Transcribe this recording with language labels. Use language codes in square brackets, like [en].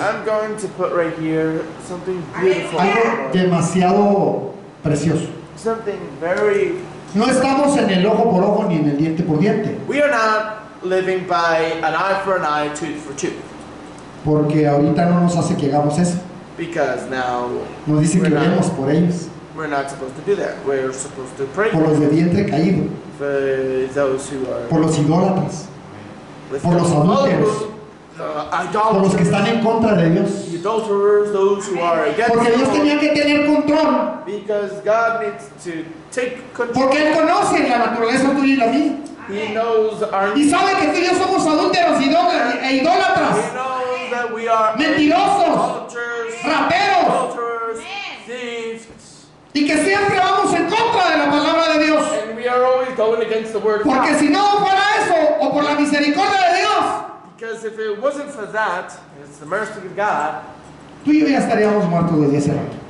[en] I'm going to put right here something beautiful. [es] Algo demasiado precioso. [en] Something very. [es] No estamos en el ojo por ojo ni en el diente por diente. [en] We are not living by an eye for an eye, tooth for tooth. [es] Porque ahorita no nos hace que hagamos eso. [en] Because now. [es] Nos dicen que oremos por ellos. [en] We're not supposed to do that. We're supposed to pray. [es] Por los de diente caído. [en] For those who are. [es] Por los idólatras. Por los adúlteros. Por los que están en contra de Dios. Porque Dios tenía que tener control. [en] Because God needs to take control. [es] Porque Él conoce la naturaleza tuya y la mía. [en] He knows our. [es] Y sabe que tú y yo somos adúlteros e idólatras. [en] He knows that we are. [es] Mentirosos. [en] Adulterers, [es] raperos. [en] Adulterers, thieves. [es] Y que siempre vamos en contra de la palabra de Dios. [en] And we are always going against the word. [es] Porque si no fuera eso o por la misericordia de Dios. [en] Because if it wasn't for that, it's the mercy of God. [es] Tú y yo ya estaríamos muertos desde ese rato.